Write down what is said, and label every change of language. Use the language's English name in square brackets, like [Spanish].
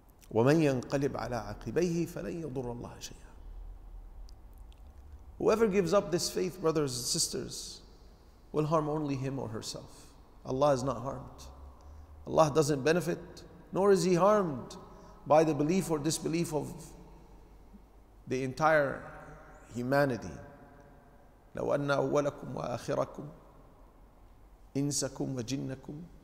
[Arabic] ومن ينقلب على عقبيه فلن يضر الله شيئا. [English] Whoever gives up this faith, brothers and sisters, will harm only him or herself. Allah is not harmed. Allah doesn't benefit, nor is he harmed by the belief or disbelief of the entire humanity. [Arabic] لو أن أولكم وآخركم إنسكم وجنكم.